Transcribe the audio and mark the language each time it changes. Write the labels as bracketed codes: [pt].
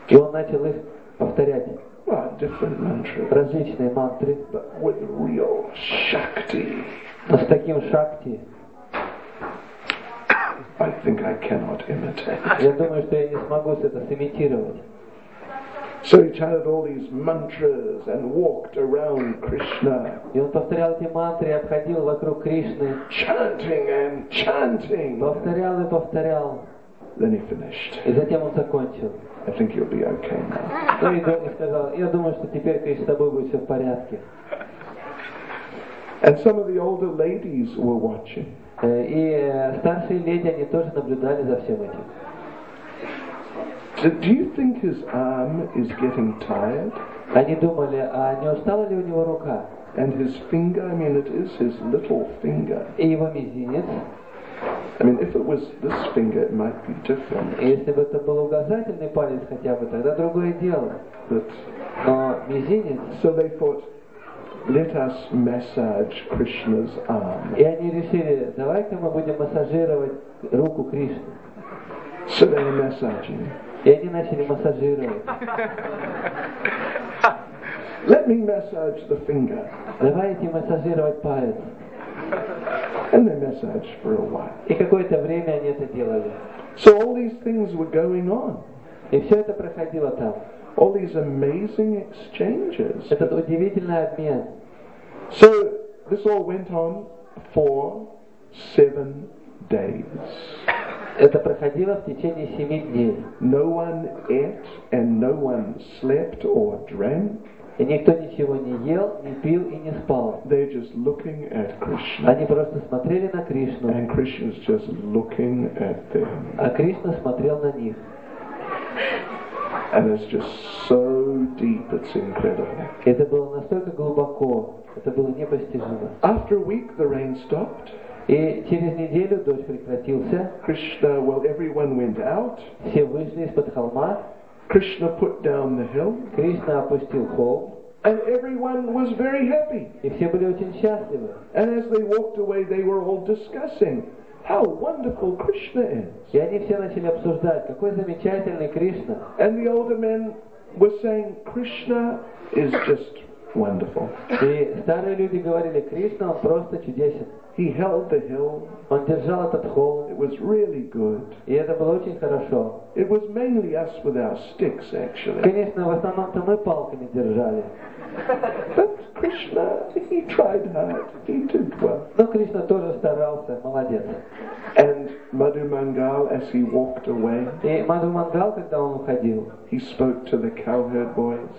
[ru] И он начал их повторять. [en] Different mantras. [ru] Различные мантры. [en] But with real Shakti. [ru] Но с таким Шакти. [en] I think I cannot imitate. [ru] Я думаю, что я не смогу это сымитировать. [en] So he chanted all these mantras and walked around Krishna. [ru] И он повторял эти мантры, обходил вокруг Кришны. [en] Chanting and chanting. [ru] Повторял и повторял. [en] Then he finished. [ru] И затем он закончил. [en] I think you'll be okay now. [ru] И он сказал, я думаю, что теперь, Кришна, с тобой будет все в порядке. [en] And some of the older ladies were watching. [ru] И старшие леди, они тоже наблюдали за всем этим. [en] So, do you think his arm is getting tired? [ru] Они думали, а не устала ли у него рука? [en] And his finger, I mean, it is his little finger. [ru] И его мизинец. [en] I mean, if it was this finger, it might be different. [ru] Если бы это был указательный палец хотя бы, тогда другое дело. [en] But, [ru] но мизинец. [en] So they thought, let us massage Krishna's arm. [ru] И они решили, давай-ка мы будем массажировать руку Кришны. [en] So they were massaging. [ru] И они начали массажировать. [en] Let me massage the finger. [ru] Давайте массажировать палец. [en] And they massaged for a while. [ru] И какое-то время они это делали. [en] So all these things were going on. [ru] И все это проходило там. [en] All these amazing exchanges. [ru] Этот удивительный обмен. [en] So this all went on for 7 days. [ru] Это проходило в течение 7 дней. [en] No one ate and no one slept or drank. [ru] И никто ничего не ел, не пил и не спал. [en] They're just looking at Krishna. [ru] Они просто смотрели на Кришну. [en] And Krishna's just looking at them. [ru] А Кришна смотрел на них. [en] And it's just so deep, it's incredible. [ru] Это было настолько глубоко, это было непостижимо. [en] After a week, the rain stopped. [ru] И через неделю дождь прекратился. [en] Krishna, well, everyone went out. [ru] Все вышли из-под холма. [en] Krishna put down the hill. [ru] Кришна опустил холм. [en] And everyone was very happy. [ru] И все были очень счастливы. [en] And as they walked away, they were all discussing how wonderful Krishna is. [ru] И они все начали обсуждать, какой замечательный Кришна. [en] And the older men were saying, Krishna is just wonderful. [ru] И старые люди говорили, Кришна просто чудесен. [en] He held the hill. [ru] Он держал этот холм. [en] It was really good. [ru] И это было очень хорошо. [en] It was mainly us with our sticks, actually. [ru] Конечно, в основном-то мы палками держали. [en] But Krishna, he tried hard. He did well. [ru] Но Кришна тоже старался. Молодец. [en] And Madhu Mangal, as he walked away, [ru] и Madhu Mangal, когда он уходил, [en] he spoke to the cowherd boys.